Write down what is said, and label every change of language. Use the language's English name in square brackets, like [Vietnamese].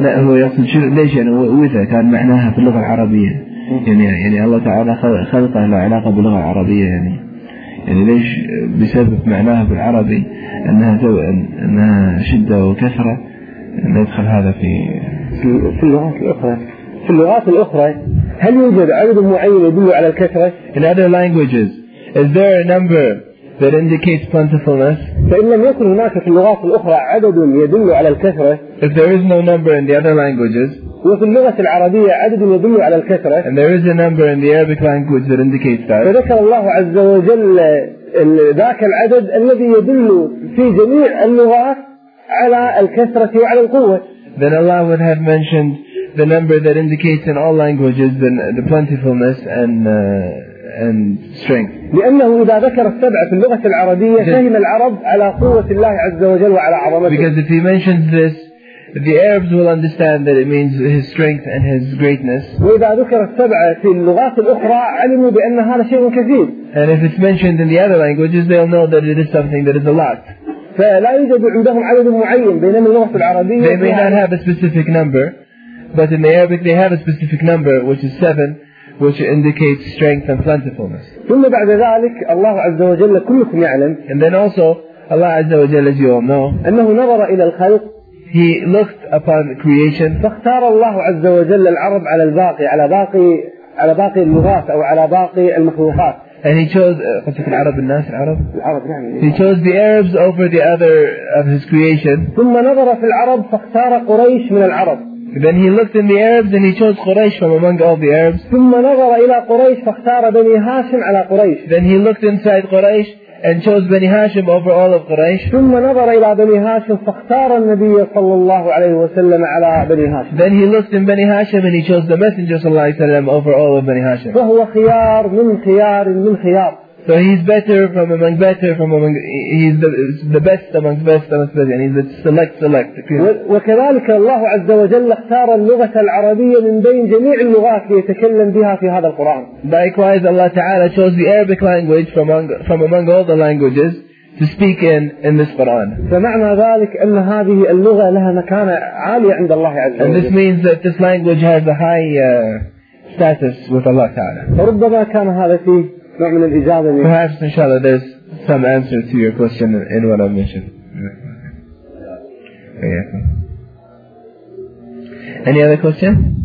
[Arabic] لا هو يقصد شنو ليش يعني وإذا كان معناها في اللغة العربية يعني الله تعالى خلقه له علاقة باللغة العربية يعني ليش بسبب معناها بالعربي أنها سوء أنها شدة وكثرة ندخل هذا في اللغات الأخرى. في اللغات الأخرى هل يوجد عدد معين يدل على الكثرة؟ [English] In other languages, is there a number that indicates plentifulness? [Arabic] فإن لم يكن هناك في اللغات الأخرى عدد يدل على الكثرة. [English] If there is no number in the other languages. [Arabic] وفي اللغة العربية عدد يدل على الكثرة. [English] And there is a number in the Arabic language that indicates that. [Arabic] فذكر الله عز وجل ذاك العدد الذي يدل في جميع اللغات على الكثرة وعلى القوة. [English] Then Allah would have mentioned the number that indicates in all languages the plentifulness and strength. [Arabic] لأنه إذا ذكر السبعة في اللغة العربية فهم العرب على قوة الله عز وجل وعلى عظمته. [English] Because if he mentions this, the Arabs will understand that it means his strength and his greatness. [Arabic] وإذا ذكر السبعة في اللغات الأخرى علموا بأن هذا شيء كثير. [English] And if it's mentioned in the other languages, they'll know that it is something that is a lot. [Arabic] فلا يوجد عندهم عدد معين بينما اللغة العربية. [English] They may not have a specific number, but in the Arabic they have a specific number, which is 7, which indicates strength and plentifulness. [Arabic] ثم بعد ذلك الله عز وجل كلكم يعلم. [English] And then also Allah [Arabic] عز وجل, [English] as you all know, [Arabic] أنه نظر إلى الخلق. [English] He looked upon creation. [Arabic] فاختار الله عز وجل العرب على الباقي على باقي على باقي اللغات أو على باقي المخلوقات. [English] And he chose [Arabic] قلت في العرب الناس العرب العرب يعني [English] he chose the Arabs over the other of his creation. [Arabic] ثم نظر في العرب فاختار قريش من العرب. [English] Then he looked in the Arabs and he chose Quraysh from among all the Arabs. [Arabic] ثم نظر إلى قريش فاختار بني هاشم على قريش. [English] Then he looked inside Quraysh and chose بني هاشم over all of Quraysh. [Arabic] ثم نظر إلى بني هاشم فاختار النبي صلى الله عليه وسلم على بني هاشم. [English] Then he looked in بني هاشم and he chose the Messenger [Arabic] صلى الله عليه وسلم [English] over all of بني هاشم. [Arabic] فهو خيار من خيار من خيار. [English] So he's better from among better from among he's the best among best among best. [Arabic] يعني [English] the select select. [Arabic] وكذلك الله عز وجل اختار اللغة العربية من بين جميع اللغات ليتكلم بها في هذا القرآن. [English] Likewise, Allah Taala chose the Arabic language from among all the languages to speak in this Quran. [Arabic] فمعنى ذلك أن هذه اللغة لها مكانة عالية عند الله عز وجل. [English] And this means that this language has a high status with Allah Taala. [Arabic] فربما كان هذا فيه نوع من الإجابة. [English] Perhaps inshallah there's some answer to your question in what I mentioned. Yeah. Any other question?